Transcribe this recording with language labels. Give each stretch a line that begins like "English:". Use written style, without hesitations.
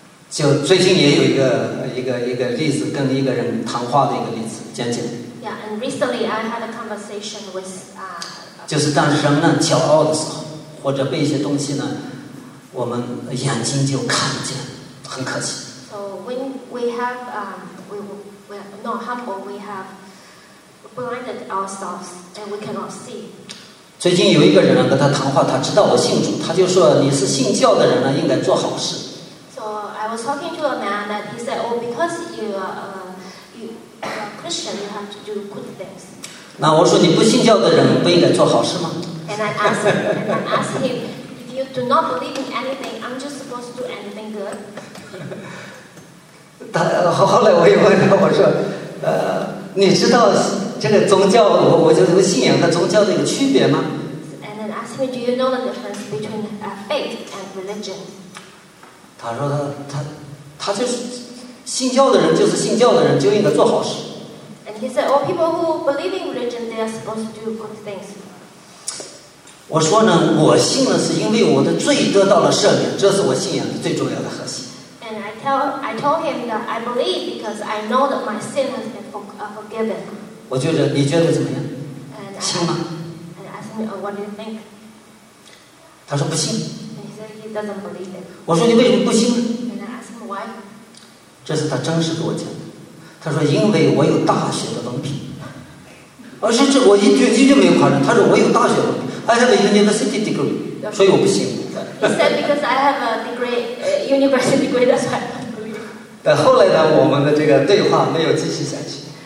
Chinese: 就最近也有一个例子，跟一个人谈话的一个例子，讲讲。
English: Yeah, and recently I had a conversation with.
Chinese: 就是当人们骄傲的时候，或者被一些东西呢，我们眼睛就看不见，很可惜。
English: So when we have we are not humble, we have blinded ourselves and we cannot see.
Chinese: 最近有一个人跟他谈话，他知道我信主，他就说你是信教的人呢，应该做好事。
English: I was talking to a man that he said, oh, because you are a Christian, you have to do good things.
Chinese: 那我说你不信教的人不应该做好事吗？
English: And I asked him, if you do not believe in anything, aren't you supposed to do anything good?
Chinese: 后来我也问他，我说，你知道这个宗教，我就说信仰和宗教的一个区别吗？
English: And then asked me, do you know the difference between faith and religion?
Chinese: 他说他就是信教的人，就是信教的人就应该做好事。
English: And he said, all people who believe in religion, they are supposed to do good things.
Chinese: 我说呢，我信了是因为我的罪得到了赦免，这是我信仰的最重要的核心。
English: And I told him that I believe because I know that my sin has been forgiven.
Chinese: 我觉得你觉得怎么样？信吗？
English: And I asked him, what do you think?
Chinese: 他说不信。
English: And he said he doesn't believe it.
Chinese: 我说你为什么不信？
English: And I asked him why.
Chinese: 这是他真实给我讲的。他说因为我有大学的文凭，而且这我一句没有夸张，他说我有大学文凭，
English: I have a university degree，
Chinese: 所以我不信。
English: He said because I have a degree, university degree, that's why I don't believe.
Chinese: 但后来呢，我们的这个对话没有继续下去。